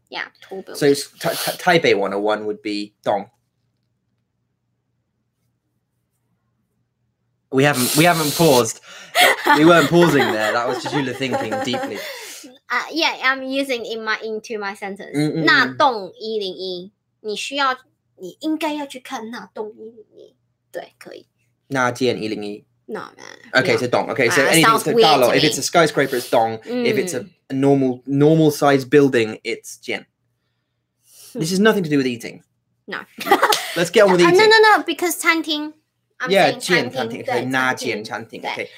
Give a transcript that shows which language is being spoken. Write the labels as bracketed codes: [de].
[en] Yeah, tall building. So Taipei 101 would be [zh] 栋. [en] We haven't paused. We weren't pausing there. That was just you thinking deeply. Yeah, I'm using in my into my sentence. [zh] 那栋101, 你需要, 你应该要去看那栋101. 对，可以. 那间101. [en] No, man. Okay, no. So dong. Okay, so anything to [zh] 大楼, [en] if it's a skyscraper, it's dong. If it's a normal size building, it's [zh] 间. [en] This has nothing to do with eating. No. Let's get on with eating. No, because [zh] 餐厅. [en] I'm yeah, [zh] 间餐厅, [en] okay, [zh] 那间餐厅, okay.